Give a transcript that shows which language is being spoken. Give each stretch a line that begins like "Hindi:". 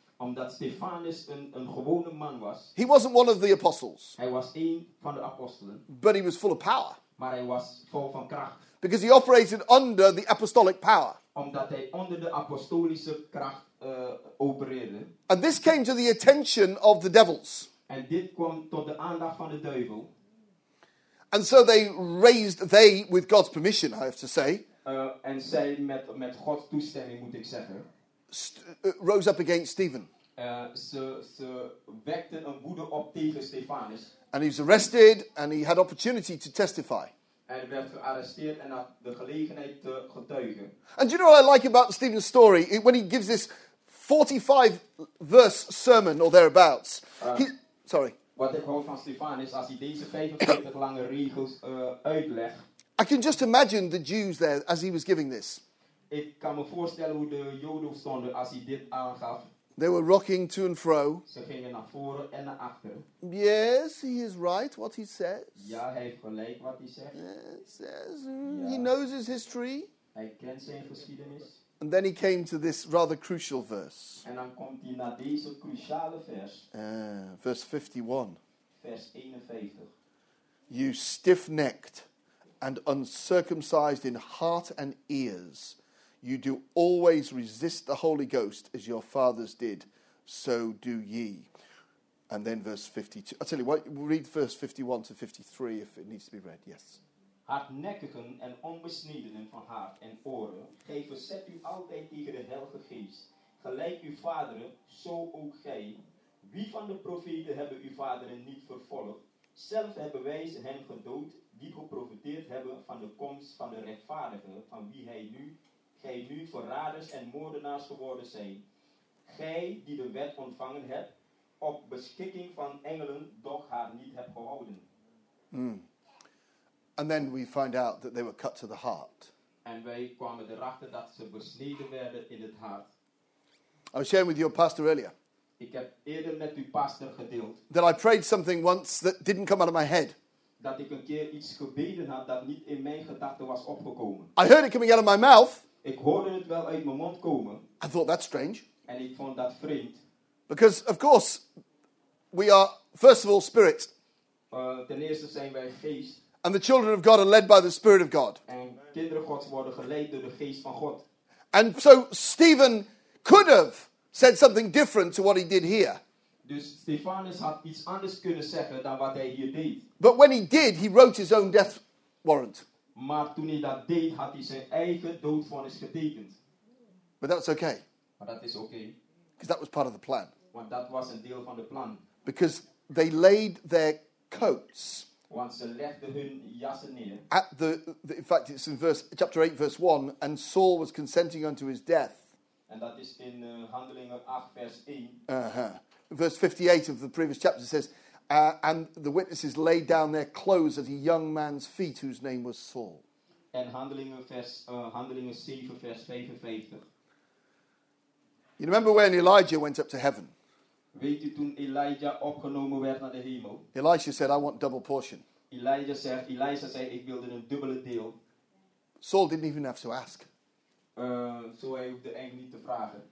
Dutch: Omdat Stefanus een gewone man was.
English: He wasn't one of the apostles.
Dutch: Hij was één van de apostelen.
English: But he was full of power.
Dutch: Maar hij was vol van kracht.
English: Because he operated under the apostolic power.
Dutch: Omdat hij onder de apostolische kracht opereerde.
English: And this came to the attention of the devils.
Dutch: En dit kwam tot de aandacht van de duivel.
English: And so they with God's permission, I have to say.
Dutch: En zij met Gods toestemming, moet ik zeggen.
English: Rose up against Stephen.
Dutch: Ze wekte een woede op tegen Stefanus.
English: And he was arrested and he had opportunity to testify.
Dutch: En werd gearresteerd en had de gelegenheid te getuigen.
English: And do you know what I like about Stephen's story? When he gives this 45 verse sermon or thereabouts.
Dutch: Wat ik hoor van Stefanus, als hij deze 45 lange regels uitlegt.
English: I can just imagine the Jews there as he was giving this.
Dutch: Ik kan me voorstellen hoe de Joden stonden als hij dit aangaf.
English: They were rocking to and fro.
Dutch: Ze gingen naar voren en naar achter.
English: Yes, he is right what he says.
Dutch: Ja, hij heeft gelijk wat hij zegt.
English: Yes, yes. Ja. He knows his history.
Dutch: Hij kent zijn geschiedenis.
English: And then he came to this rather crucial verse.
Dutch: En dan komt hij naar deze cruciale vers.
English: Verse 51.
Dutch: Vers 51.
English: You stiff-necked and uncircumcised in heart and ears, you do always resist the Holy Ghost as your fathers did, so do ye. And then verse 52. I'll tell you what, we'll read verse 51 to 53 if it needs to be read. Yes.
Dutch: Hardnekkigen en onbesnedenen van hart en oren, gij verzet u altijd tegen de Heilige Geest, gelijk uw vaderen, zo ook gij. Wie van de profeten hebben uw vaderen niet vervolgd? Zelf hebben wij ze hem gedood, die geprofiteerd hebben van de komst van de rechtvaardigen, van wie gij nu verraders en moordenaars geworden zijn. Gij die de wet ontvangen hebt, op beschikking van engelen, doch haar niet hebt gehouden.
English: And then we find out that they were cut to the heart.
Dutch: En wij kwamen erachter dat ze besneden werden in het hart.
English: I was sharing with your pastor earlier.
Dutch: Ik heb eerder met uw pastor gedeeld.
English: That I prayed something once that didn't come out of my head.
Dutch: Dat ik een keer iets gebeden had dat niet in mijn gedachten was opgekomen.
English: I heard it coming out of my mouth.
Dutch: Ik hoorde het wel uit mijn mond komen.
English: I thought that's strange.
Dutch: En ik vond dat vreemd.
English: Because of course we are first of all spirit.
Dutch: Ten eerste zijn wij geest.
English: And the children of God are led by the Spirit of God.
Dutch: En kinderen Gods worden geleid door de Geest van God.
English: And so Stephen could have said something different to what he did here.
Dutch: Dus Stefanus had iets anders kunnen zeggen dan wat hij hier deed.
English: But when he did, he wrote his own death warrant.
Dutch: Maar toen hij dat deed, had hij zijn eigen doodvonnis getekend.
English: But that's okay.
Dutch: Maar dat is okay.
English: Because that was part of the plan.
Dutch: Want dat was een deel van de plan.
English: Because they laid their coats.
Dutch: Want ze legden hun jassen neer.
English: At the, in fact, it's in verse chapter 8, verse 1. And Saul was consenting unto his death.
Dutch: En dat is in Handelingen 8, vers 1.
English: Verse 58 of the previous chapter says, and the witnesses laid down their clothes at a young man's feet, whose name was Saul.
Dutch: En Handelingen 7, vers 55.
English: You remember when Elijah went up to heaven?
Dutch: Weet u toen Elijah opgenomen werd naar de hemel?
English: Elisha said, I want double portion.
Dutch: Elijah zei, ik wilde een dubbele deel.
English: Saul didn't even have to ask.
Dutch: Zo hij hoefde eigenlijk niet te vragen.